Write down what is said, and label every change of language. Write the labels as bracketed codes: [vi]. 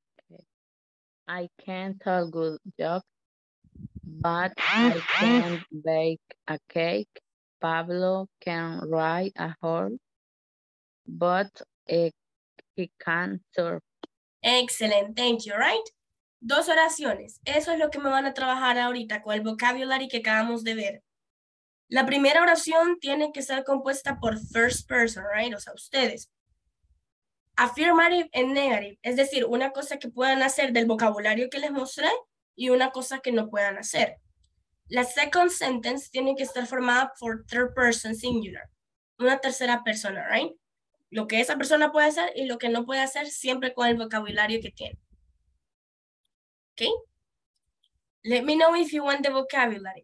[en] Okay. I can tell good jokes, but I can't bake a cake. Pablo can ride a horse, but he can't surf. Excellent, thank you, right? [es] Dos oraciones. Eso es lo que me van a trabajar ahorita con el vocabulary que acabamos de ver. La primera oración tiene que ser compuesta por first person, right? O sea, ustedes. [en] Affirmative and negative. [es] Es decir, una cosa que puedan hacer del vocabulario que les mostré y una cosa que no puedan hacer. La [en] second sentence [es] tiene que estar formada por third person singular. Una tercera persona, right? Lo que esa persona puede hacer y lo que no puede hacer siempre con el vocabulario que tiene. ¿Ok? [en] Let me know if you want the vocabulary.